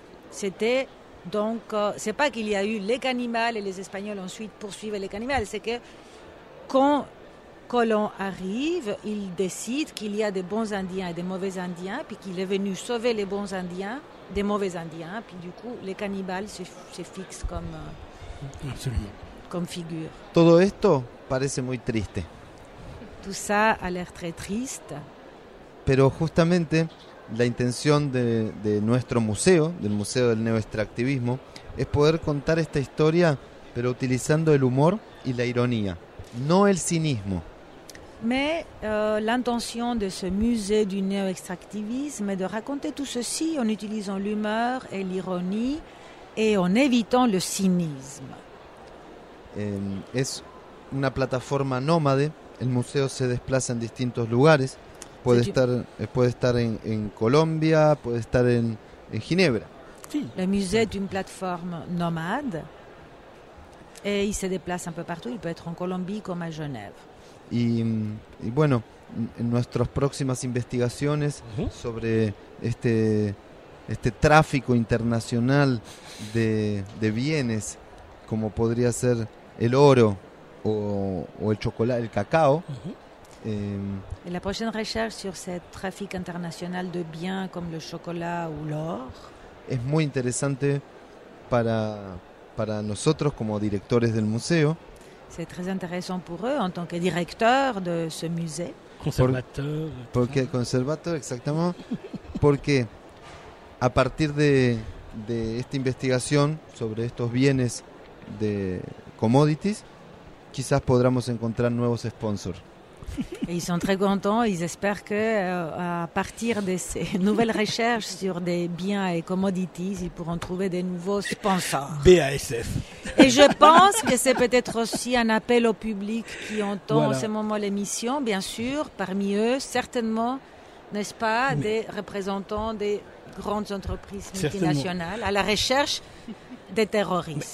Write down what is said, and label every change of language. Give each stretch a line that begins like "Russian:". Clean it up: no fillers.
French: C'était donc, c'est pas qu'il y a eu les cannibales et les Espagnols ensuite poursuivent les cannibales, c'est que quand Colomb arrive, il décide qu'il y a des bons Indiens et des mauvais Indiens, puis qu'il est venu sauver les bons Indiens des mauvais Indiens, puis du coup, les cannibales se fixent comme, comme figure.
Spanish: Todo esto parece muy triste.
French: Tout ça a l'air très triste.
Spanish: Pero justamente la intención de nuestro museo, del Museo del Neoextractivismo, es poder contar esta historia, pero utilizando el humor y la ironía, no el cinismo.
French: Mais l'intention de ce musée du néo-extractivisme est de raconter tout ceci en utilisant l'humour et l'ironie et en évitant le cynisme.
Spanish: Es una plataforma nómade, el museo se desplaza en distintos lugares. Puede estar en Colombia, puede estar en Ginebra. Sí.
French: Le musée est une plateforme nomade et il se déplace un peu partout. Il peut être en Colombie comme à Genève.
Spanish: Y bueno, en nuestras próximas investigaciones sobre este tráfico internacional de bienes, como podría ser el oro o el chocolate, el cacao,
French: Et la prochaine recherche sur ce trafic international de biens comme le chocolat ou l'or.
Spanish: Es muy interesante para nosotros como directores del museo.
French: C'est très intéressant pour eux en tant que directeur de ce musée. Conservateur.
Spanish: Porque
French: conservateur, exactement.
Spanish: Porque a partir de esta investigación sobre estos bienes de commodities, quizás podamos encontrar nuevos sponsors.
French: Et ils sont très contents, ils espèrent que à partir de ces nouvelles recherches sur des biens et commodities, ils pourront trouver des nouveaux sponsors. BASF. Et je pense que c'est peut-être aussi un appel au public qui entend voilà. En ce moment l'émission, bien sûr, parmi eux, certainement, n'est-ce pas, mais des représentants des grandes entreprises multinationales à la recherche des terroristes.